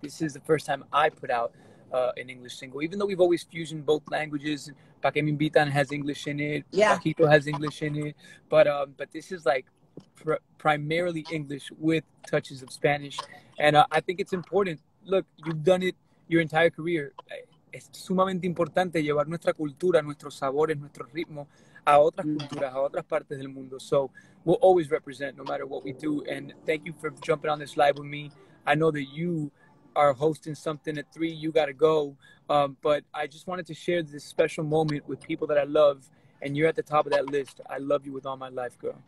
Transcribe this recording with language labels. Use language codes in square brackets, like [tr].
[en] This is the first time I put out an English single, even though we've always fusioned both languages. Paquemin Bitan has English in it. Yeah. Paquito has English in it. But this is like primarily English with touches of Spanish. And I think it's important. Look, you've done it your entire career. [es] Es sumamente importante llevar nuestra cultura, nuestros sabores, nuestro ritmo a otras culturas, a otras partes del mundo. [en] So we'll always represent no matter what we do. And thank you for jumping on this live with me. I know that you are hosting something at 3. You got to go. But I just wanted to share this special moment with people that I love. And you're at the top of that list. I love you with all my life, girl.